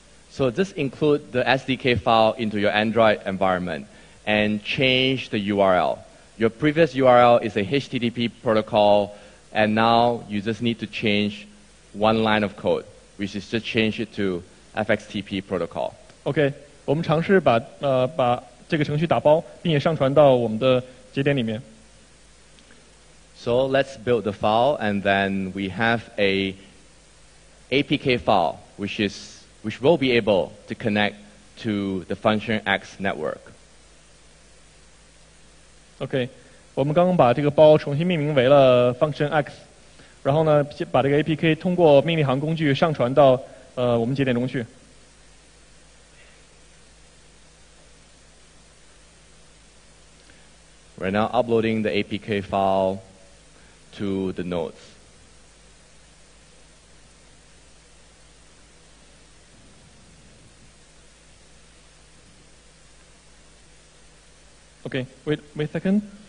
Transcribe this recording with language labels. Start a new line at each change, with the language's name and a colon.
English: So just include the SDK file into your Android environment and change the URL. Your previous URL is a HTTP protocol, and now you just need to change one line of code. Which is just change it to FXTP protocol.
Chinese: Okay, 我们尝试把这个程序打包，并且上传到我们的节点里面.
English: So let's build the file, and then we have a APK file, which will be able to connect to the Function X network.
Chinese: Okay, 我们刚刚把这个包重新命名为了 Function X. 然后呢，把这个 APK 通过命令行工具上传到我们节点中去。Right
English: now, uploading the APK file to the nodes. Okay, wait a second.